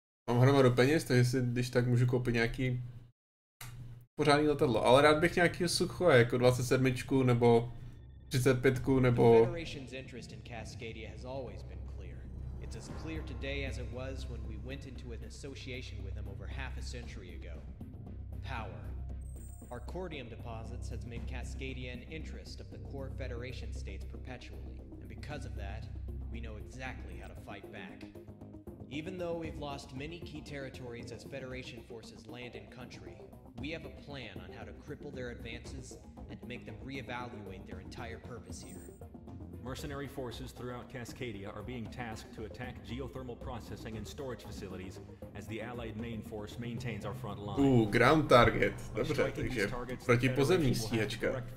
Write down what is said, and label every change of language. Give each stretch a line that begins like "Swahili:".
Czech: Mám hromadu peněz, takže si když tak můžu koupit nějaký pořádný letadlo, ale rád bych nějaký sucho, jako 27 nebo 35 nebo...
English: The Federation's interest in Cascadia has always been clear. It's as clear today as it was when we went into an association with them over half a century ago. Power. Our cordium deposits has made Cascadia an interest of the core Federation states perpetually, and because of that, we know exactly how to fight back. Even though we've lost many key territories as Federation forces land in country, we have a plan on how to cripple their advances and make them reevaluate their entire purpose here. Mercenary forces throughout Cascadia are being tasked to attack geothermal processing and storage facilities as the Allied main force maintains our front line. Ooh, ground target.
Czech: Dobře, takže protipozemní stíhačka.